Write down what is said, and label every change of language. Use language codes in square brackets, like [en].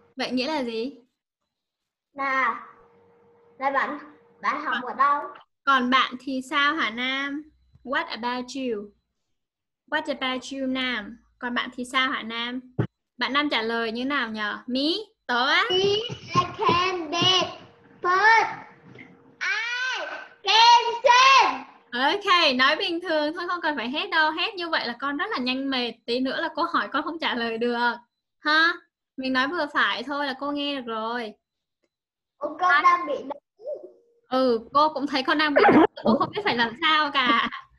[vi] Vậy nghĩa là gì? Là bạn học ở đâu? Còn bạn thì sao hả Nam? [en] What about you? What about you, [vi] Nam? Còn bạn thì sao hả Nam? Bạn Nam trả lời như nào nhờ? Me? Tớ á? [en] Me, I can dance, but I can sing. [vi] Ok, nói bình thường thôi, không cần phải hét đâu. Hét như vậy là con rất là nhanh mệt. Tí nữa là cô hỏi con không trả lời được. Ha? Mình nói vừa phải thôi là cô nghe được rồi. Con đang bị đứng. Ừ, cô cũng thấy con đang bị đứng. Cô không biết phải làm sao cả.